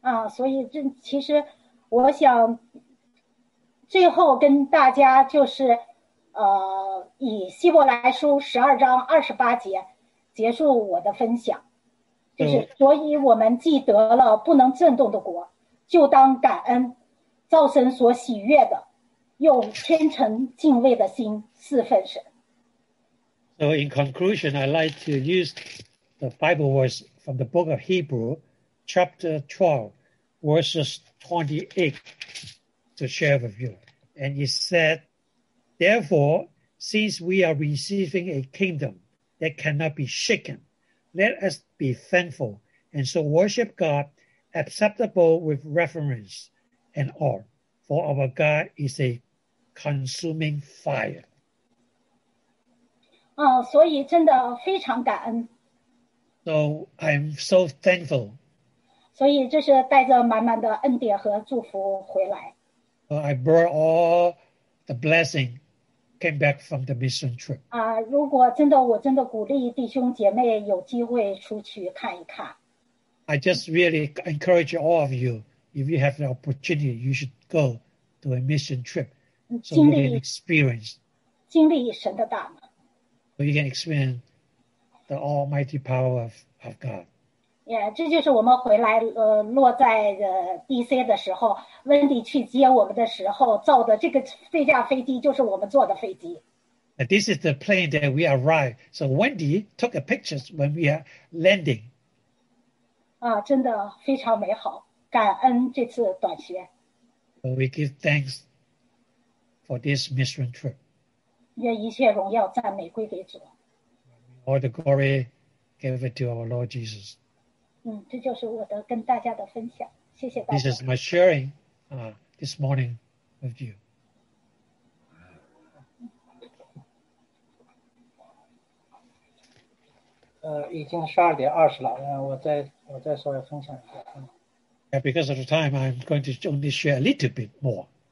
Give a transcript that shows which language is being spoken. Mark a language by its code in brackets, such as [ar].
[zh] 所以这其实我想最后跟大家就是，以希伯来书十二章二十八节结束我的分享，就是所以我们既得了不能震动的国，就当感恩。造神所喜悦的，用虔诚敬畏的心侍奉神。 [en] So in conclusion, I'd like to use the Bible verse from the book of Hebrew, chapter 12, verses 28, to share with you. And it said, "Therefore, since we are receiving a kingdom that cannot be shaken, let us be thankful and so worship God, acceptable with reverence." And all, for our God is a consuming fire. [zh] 所以真的非常感恩。 [en] So I'm so thankful. [zh] 所以这是带着满满的恩典和祝福回来。 [en] So I brought all the blessing, came back from the mission trip. [zh] 如果真的，我真的鼓励弟兄姐妹有机会出去看一看。 [en] I just really encourage all of you. If you have the opportunity, you should go to a mission trip so you can experience. [zh] 经历神的大能。 [en] So you can experience the almighty power of God. [zh] Yeah, 这就是我们回来落在DC 的时候 ,Wendy 去接我们的时候造的这个这架飞机就是我们坐的飞机。 [en] And this is the plane that we arrived. So Wendy took a picture when we are landing. [zh] 真的非常美好。感恩这次短学。 [en] We give thanks for this mission trip. [zh] 愿一切荣耀赞美归给主。 [en] All the glory give it to our Lord Jesus. [zh] 这就是我的跟大家的分享。谢谢大家。 [en] This is my sharing this morning with you. [zh] 已经12:20了，我再稍微分享一下。 [en] Because of the time, I'm going to only share a little bit more.